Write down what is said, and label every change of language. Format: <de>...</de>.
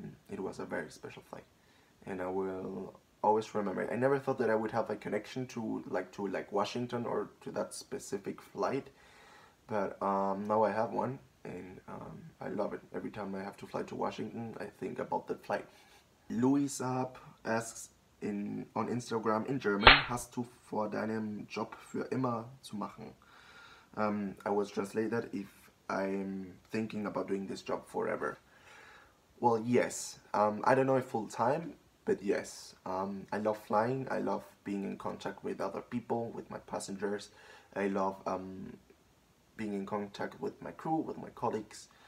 <en>It was a very special flight. And I will always remember it. I never thought that I would have a connection to Washington or to that specific flight. But now I have one, and I love it. Every time I have to fly to Washington, I think about that flight. Luis Ab asks on Instagram, in German,</en> <de>hast du vor deinem Job für immer zu machen?</de> <en>I will translate that if I'm thinking about doing this job forever. Well, yes. I don't know if full time, but yes. I love flying. I love being in contact with other people, with my passengers. I love being in contact with my crew, with my colleagues.</en>